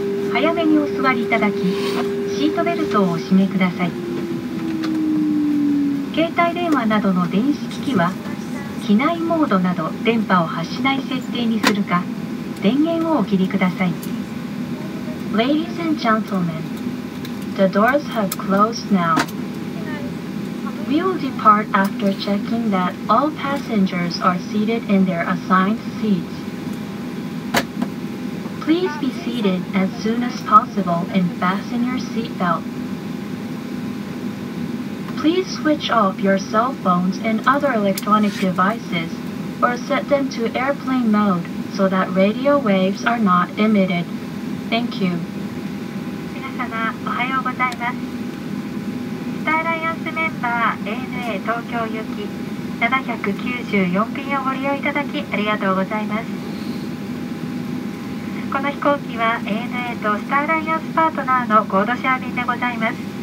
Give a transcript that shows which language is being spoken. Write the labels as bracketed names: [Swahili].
[Japanese] 早めにお座りいただき、シートベルトをお締めください。携帯電話などの電子機器は、機内モードなど電波を発しない設定にするか、電源をお切りください。 [English] Ladies and gentlemen, the doors have closed now. We will depart after checking that all passengers are seated in their assigned seats. Please be seated as soon as possible and fasten your seatbelt. Please switch off your cell phones and other electronic devices or set them to airplane mode so that radio waves are not emitted. Thank you. [Japanese] 皆様おはようございます。スターライアンスメンバー ANA 東京行き794便をご利用いただきありがとうございます。この飛行機は ANA とスターライアンスパートナーの合同シェア便でございます。